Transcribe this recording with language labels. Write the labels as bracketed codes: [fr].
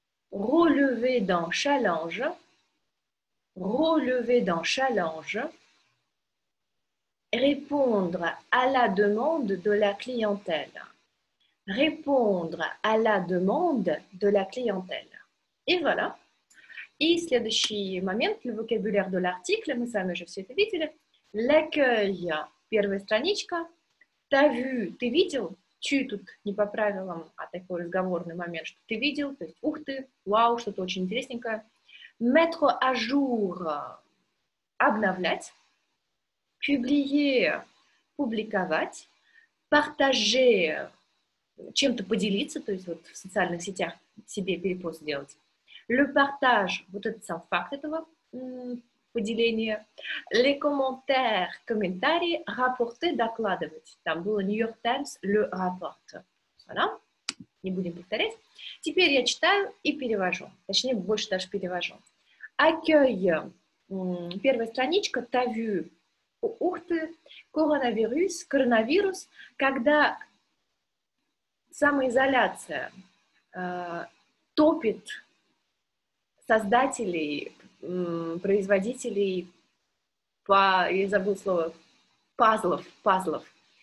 [fr] relever dans challenge, répondre à la demande de la clientèle. Répondre à la demande de la clientèle. Et voilà. [ru] И следующий момент, [fr] le vocabulaire de l'article, [ru] мы с вами уже все это видели. [fr] L'accueil, [ru] первая страничка. [fr] T'as vu, [ru] ты видел? Tu, тут не по правилам, а такой разговорный момент, что ты видел, то есть ух ты, вау, что-то очень интересненькое. [fr] Mettre à jour, [ru] обновлять. Publier, публиковать, partager, чем-то поделиться, то есть вот в социальных сетях себе перепост сделать. Le partage, вот этот сам факт этого поделения. [fr] Les commentaires, комментарии, rapporter, докладывать. [ru] Там было New York Times, le rapport. Voilà. Не будем повторять. Теперь я читаю и перевожу. Точнее, больше даже перевожу. Accueil, Первая страничка, тавю. Ух ты, коронавирус, коронавирус. Когда самоизоляция топит создателей, производителей, я забыл слово, пазлов.